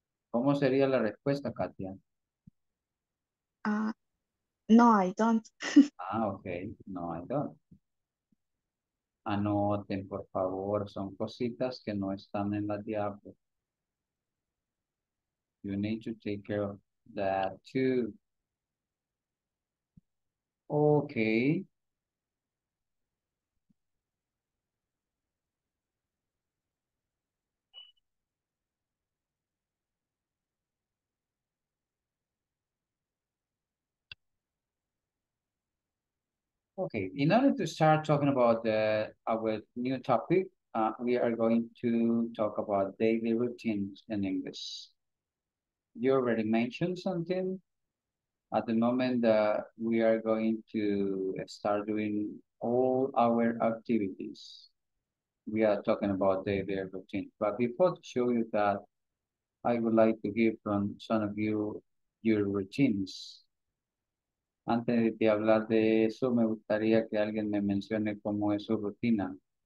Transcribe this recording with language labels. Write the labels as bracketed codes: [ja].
[es] ¿Cómo sería la respuesta, Katia? [en] No, I don't. No, I don't. [es] Anoten, por favor, son cositas que no están en la diapo. [en] You need to take care of that too. Okay. Okay, in order to start talking about our new topic, we are going to talk about daily routines in English. You already mentioned something. At the moment, we are going to start doing all our activities. We are talking about daily routines. But before to show you that, I would like to hear from some of you your routines. [es] Antes de hablar de eso, me gustaría que alguien me mencione cómo es su rutina.